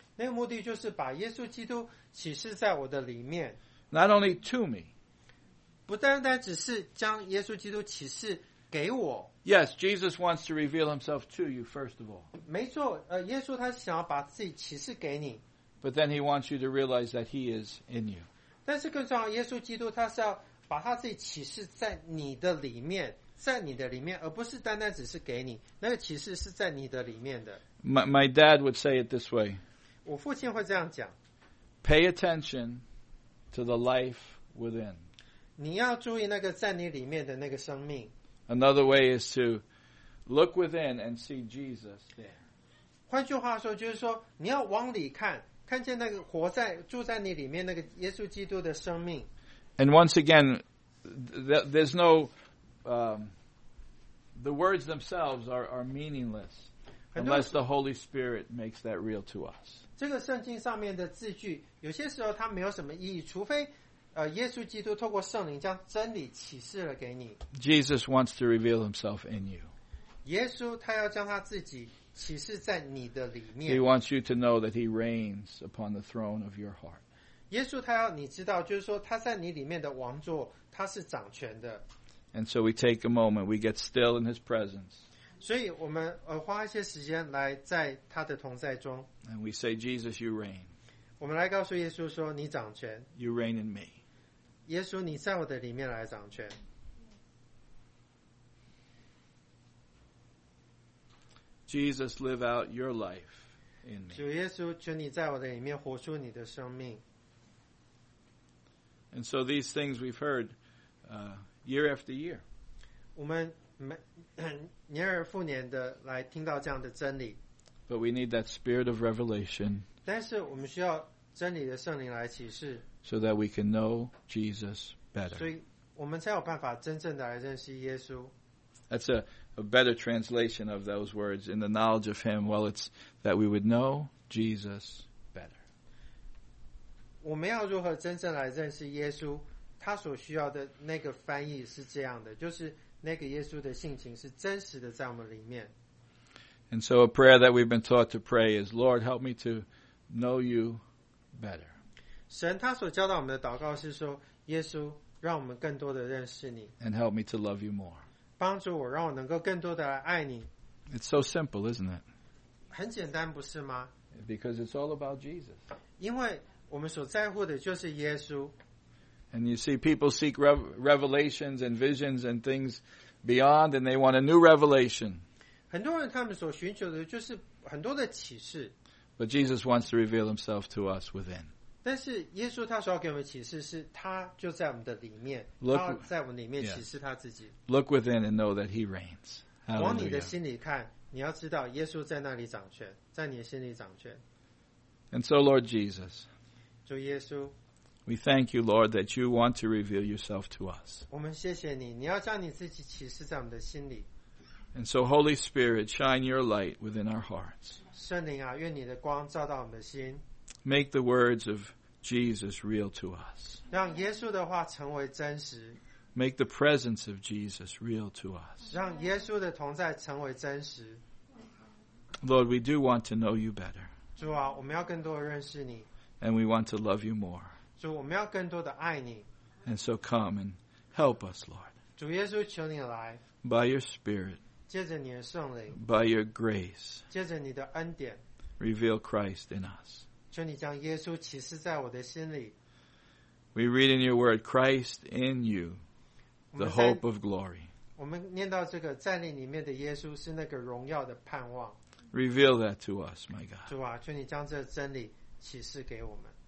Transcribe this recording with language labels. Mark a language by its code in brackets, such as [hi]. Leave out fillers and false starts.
[zh] 那个目的就是把耶稣基督启示在我的里面。 [en] Not only to me. [zh] 不单单只是将耶稣基督启示给我。 [en] Yes, Jesus wants to reveal himself to you first of all. [zh] 没错, 耶稣他是想要把自己启示给你。 [en] But then he wants you to realize that he is in you. [zh] 但是更重要, 耶稣基督他是要把他自己启示在你的里面, 在你的里面, 而不是单单只是给你, 那个启示是在你的里面的。 [en] My dad would say it this way. [zh] 我父亲会这样讲, [en] Pay attention to the life within. [zh] 你要注意那个在你里面的那个生命。 [en] Another way is to look within and see Jesus there. [zh] 换句话说就是说, 你要往里看, 看见那个活在住在你里面那个耶稣基督的生命。 [en] And once again, there's no the words themselves are meaningless unless the Holy Spirit makes that real to us. [zh] 这个圣经上面的字句有些时候它没有什么意义，除非耶稣基督透过圣灵将真理启示了给你。 [en] Jesus wants to reveal himself in you. [zh] 耶稣他要将他自己 [en] He wants you to know that He reigns upon the throne of your heart. [zh] 耶稣他要你知道就是说他在你里面的王座, 他是掌权的。 [en] And so we take a moment, we get still in His presence. [zh] 所以我们花一些时间来在他的同在中。 [en] And we say, Jesus, you reign. [zh] 我们来告诉耶稣说你掌权。 [en] You reign in me. [zh] 耶稣你在我的里面来掌权。 [en] Jesus, live out your life in me. [zh] 主耶稣，求你在我的里面活出你的生命。 [en] And so these things we've heard year after year. [zh] 我们年而复年的来听到这样的真理。 [en] But we need that spirit of revelation. [zh] 但是我们需要真理的圣灵来启示。 [en] So that we can know Jesus better. [zh] 所以我们才有办法真正的来认识耶稣。 [en] That's a better translation of those words in the knowledge of Him. Well, it's that we would know Jesus better. [zh] 我们要如何真正来认识耶稣？他所需要的那个翻译是这样的，就是那个耶稣的性情是真实的在我们里面。 [en] And so a prayer that we've been taught to pray is, Lord, help me to know you better. [zh] 神他所教导我们的祷告是说，耶稣，让我们更多的认识你。 [en] And help me to love you more. [zh] 帮助我，让我能够更多的来爱你。 [en] It's so simple, isn't it? [zh] 很简单，不是吗？ [en] Because it's all about Jesus. [zh] 因为我们所在乎的就是耶稣。 [en] And you see, people seek revelations and visions and things beyond, and they want a new revelation. [zh] 很多人他们所寻求的就是很多的启示。 [en] But Jesus wants to reveal himself to us within. [zh] 但是耶稣他所要给我们启示是他就在我们的里面，他在我们里面启示他自己。 [en] Yes. Look within and know that he reigns. [zh] 往你的心里看，你要知道耶稣在那里掌权，在你的心里掌权。 [en] And so, Lord Jesus. [zh] 主耶稣。 [en] We thank you, Lord, that you want to reveal yourself to us. [zh] 我们谢谢你，你要将你自己启示在我们的心里。 [en] And so, Holy Spirit, shine your light within our hearts. [zh] 圣灵啊，愿你的光照到我们的心。 [en] Make the words of Jesus real to us. [zh] 让耶稣的话成为真实。 [en] Make the presence of Jesus real to us. [zh] 让耶稣的同在成为真实。 [en] Lord, we do want to know you better. [zh] 主啊，我们要更多的认识你。 [en] And we want to love you more. [zh] 主，我们要更多的爱你。 [en] And so come and help us, Lord. [zh] 主耶稣，求你来。 [en] By your Spirit. [zh] 借着你的圣灵。 [en] By your grace. [zh] 借着你的恩典。 [en] Reveal Christ in us. [zh] 求你将耶稣启示在我的心里。 [en] We read in your word, Christ in you, the hope of glory. [zh] 我们念到这个，在你里面的耶稣是那个荣耀的盼望。 [en] Reveal that to us, my God. [zh] 主啊，求你将这真理启示给我们。